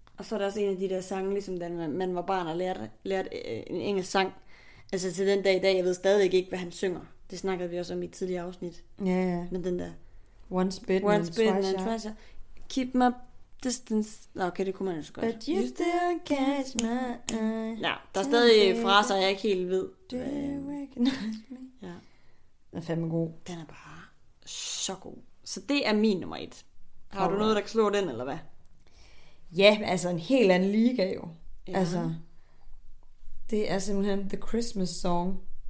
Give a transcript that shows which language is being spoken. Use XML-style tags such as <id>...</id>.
<da>Og så er der også en af de der sange, ligesom den, man var barn og lærte en engelsk sang. Altså til den dag i dag, jeg ved stadig ikke, hvad han synger. Det snakkede vi også om i et tidligere afsnit. Ja. Men den der.</da> <en>Once bitten and twice. Keep my distance.</en> <da>Okay, det kunne man jo så godt.</da> <en>But you still catch my eye.</en> <da>Ja, der er stadig fraser, jeg ikke helt ved.</da> <en>Do you recognize me?</en> <da>Ja. Den er fandme god. Den er bare så god. Så det er min nummer 1. Har du noget, der kan slå den, eller hvad? Ja, altså en helt anden liga jo. Ja. Altså, det er simpelthen The Christmas Song.</da>